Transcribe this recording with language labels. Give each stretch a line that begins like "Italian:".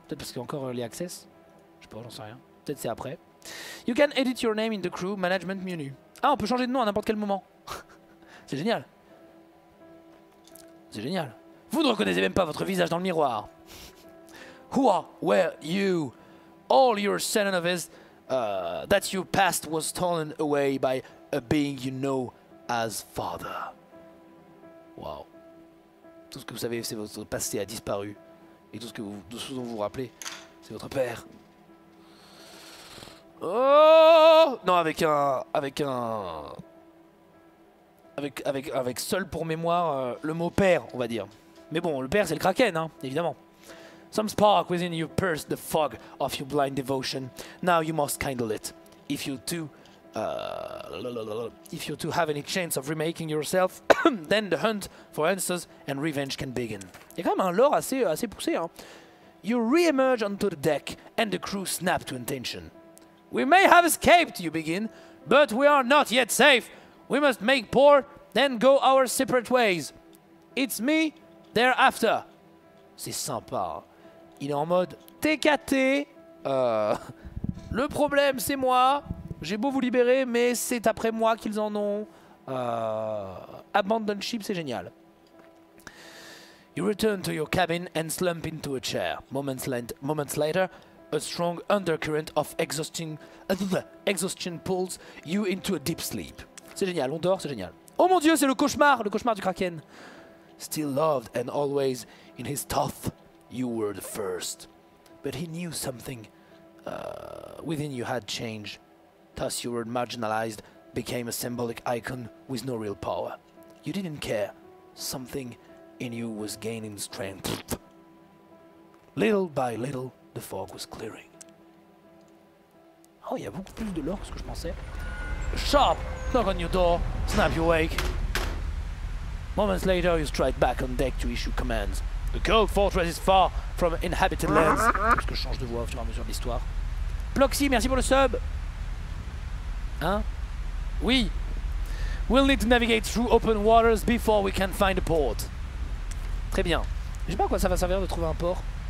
French: Peut-être parce qu'il y a encore les access. Je sais pas, j'en sais rien. Peut-être c'est après.
English: You can edit your name in the crew management menu.
French: Ah, on peut changer de nom à n'importe quel moment. C'est génial. C'est génial. Vous ne reconnaissez même pas votre visage dans le miroir.
English: Who are, where you, all your senses of his, that you passed was stolen away by a being you know as father. Wow.
French: Tout ce que vous savez, c'est votre passé a disparu. Et tout ce que vous, de ce dont vous vous rappelez, c'est votre père. Oh non, avec seul pour mémoire le mot père, on va dire. Mais bon, le père c'est le Kraken, hein, évidemment.
English: Some spark within you pierced the fog of your blind devotion. Now you must kindle it. If you too have any chance of remaking yourself, then the hunt for answers and revenge can begin.
French: Il y a quand même un lore assez poussé, hein.
English: You re-emerge onto the deck and the crew snap to attention. We may have escaped, you begin, but we are not yet safe. We must make port, then go our separate ways. It's me, thereafter.
French: C'est sympa. Il est en mode TKT. Le problème, c'est moi. J'ai beau vous libérer, mais c'est après moi qu'ils en ont.
English: Abandon ship,
French: c'est génial.
English: You return to your cabin and slump into a chair. Moments later, a strong undercurrent of exhaustion pulls you into a deep sleep.
French: C'est génial, on dort, c'est génial. Oh mon dieu, c'est le cauchemar du Kraken.
English: Still loved and always in his thought, you were the first. But he knew something within you had changed. Thus you were marginalized, became a symbolic icon with no real power. You didn't care. Something in you was gaining strength. Little by little, the fog was clearing.
French: Oh, il y a beaucoup plus de lore que ce que je pensais.
English: Sharp knock on your door, snap you awake. Moments later, you stride back on deck to issue commands. The cold fortress is far from inhabited lands.
French: Parce que je change de voix au fur et à mesure de l'histoire. Ploxy, merci pour le sub. Hein? Oui.
English: We'll need to navigate through open waters before we can find a port.
French: Très bien. Je sais pas à quoi ça va servir de trouver un port.